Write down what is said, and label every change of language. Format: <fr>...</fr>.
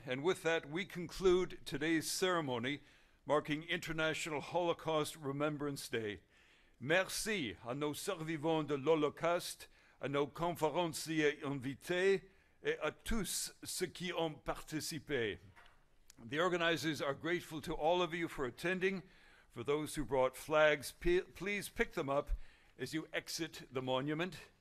<en>And with that, we conclude today's ceremony marking International Holocaust Remembrance Day.</en> <fr>Merci à nos survivants de l'Holocauste, à nos conférenciers invités, et à tous ceux qui ont participé.</fr> <en>The organizers are grateful to all of you for attending. For those who brought flags, please pick them up as you exit the monument.</en>